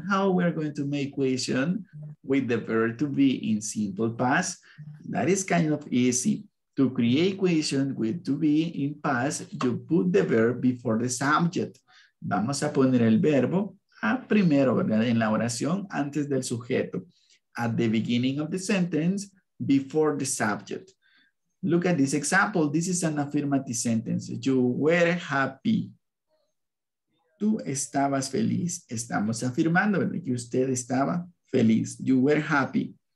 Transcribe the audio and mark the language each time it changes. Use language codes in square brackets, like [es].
[en] How we're going to make question with the verb to be in simple past? That is kind of easy. To create question with to be in past, you put the verb before the subject. [es] Vamos a poner el verbo a primero, ¿verdad? En la oración antes del sujeto. [en] At the beginning of the sentence, before the subject. Look at this example. This is an affirmative sentence. You were happy. [es] Tú estabas feliz. Estamos afirmando, ¿verdad? Que usted estaba feliz. [en] You were happy.